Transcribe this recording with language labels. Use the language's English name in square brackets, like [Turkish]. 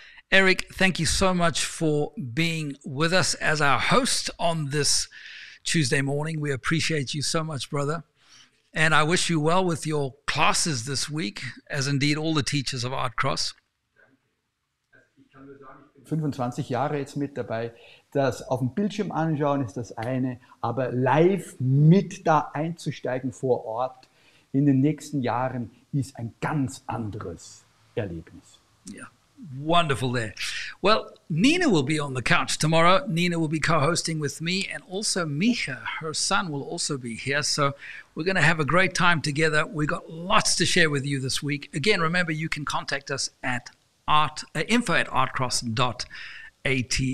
[English] Eric, thank you so much for being with us as our host on this Tuesday morning. We appreciate you so much, brother. And I wish you well with your classes this week, as indeed all the teachers of Art Cross. [German] 25 Jahre jetzt mit dabei. Das auf dem Bildschirm anschauen ist das eine, aber live mit da einzusteigen vor Ort in den nächsten Jahren ist ein ganz anderes Erlebnis. [English] Yeah, wonderful there. Well, Nina will be on the couch tomorrow. Nina will be co-hosting with me and also Micha, her son, will also be here. So we're going to have a great time together. We got lots to share with you this week. Again, remember, you can contact us at info@artcross.at.